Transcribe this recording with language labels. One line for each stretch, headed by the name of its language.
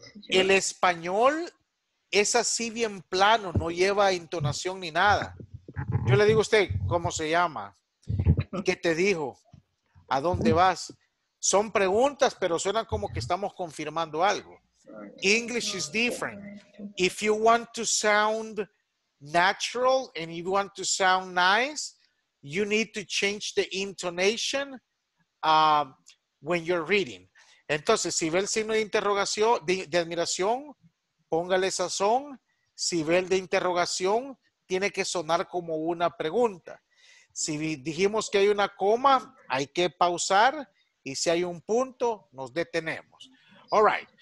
Spanish: El español es así bien plano, no lleva entonación ni nada. Yo le digo a usted, ¿cómo se llama? ¿Qué te dijo? ¿A dónde vas? Son preguntas, pero suenan como que estamos confirmando algo.
English: English is different. If you want to sound natural and you want to sound nice, you need to change the intonation when you're reading.
Spanish: Entonces, si ve el signo de interrogación, de admiración, póngale sazón. Si ve el de interrogación, tiene que sonar como una pregunta. Si dijimos que hay una coma, hay que pausar. Y si hay un punto, nos detenemos.
English: All right.